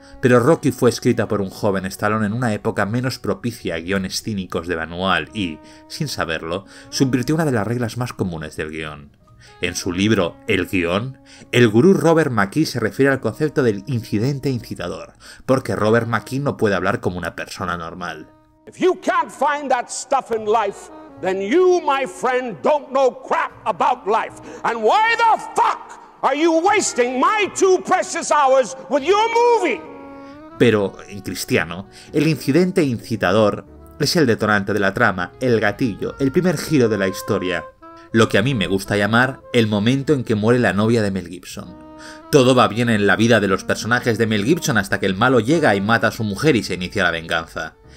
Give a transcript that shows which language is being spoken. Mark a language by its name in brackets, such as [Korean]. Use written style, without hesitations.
[Spanish] Pero Rocky fue escrita por un joven Stallone en una época menos propicia a guiones cínicos de manual y, sin saberlo, subvirtió una de las reglas más comunes del guión. En su libro El guión, el gurú Robert McKee se refiere al concepto del incidente incitador, porque Robert McKee no puede hablar como una persona normal. [English] If you can't find that stuff in life, then you, my friend, don't know crap about life. And why the fuck are you wasting my two precious hours with your movie? [Spanish] Pero, en cristiano, el incidente incitador es el detonante de la trama, el gatillo, el primer giro de la historia. Lo que a mí me gusta llamar el momento en que muere la novia de Mel Gibson. Todo va bien en la vida de los personajes de Mel Gibson hasta que el malo llega y mata a su mujer y se inicia la venganza.